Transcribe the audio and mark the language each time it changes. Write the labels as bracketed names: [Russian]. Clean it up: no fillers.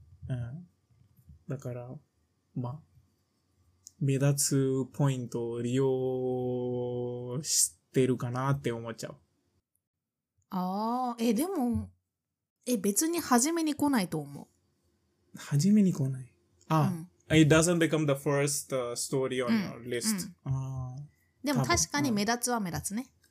[Japanese] うん。うん。だから、まあ、目立つポイントを利用してるかなって思っちゃう。ああ、でも、別に初めに来ないと思う。初めに来ない。 [English] あ、うん、it doesn't become the first story on your list、うんうん。 [Japanese] でも確かに目立つは目立つね。